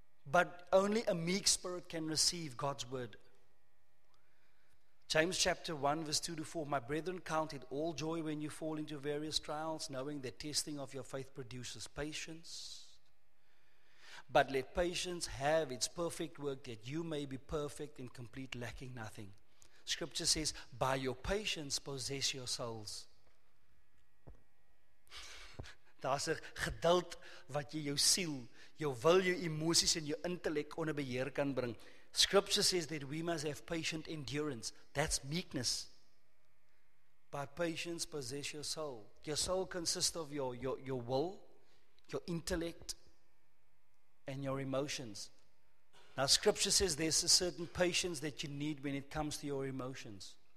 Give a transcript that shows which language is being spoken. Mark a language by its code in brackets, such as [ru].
[en] But only a meek spirit can receive God's word. James chapter 1 verse 2 to 4, my brethren, count it all joy when you fall into various trials, knowing that testing of your faith produces patience. But let patience have its perfect work, that you may be perfect and complete, lacking nothing. Scripture says, by your patience possess your souls. [af] Daar's 'n geduld wat jy jou siel, jou wil, jou emosies en jou intellek onder beheer kan bring. [en] Scripture says that we must have patient endurance. That's meekness. By patience possess your soul. Your soul consists of your will, your intellect, and your emotions. Now scripture says there's a certain patience that you need when it comes to your emotions.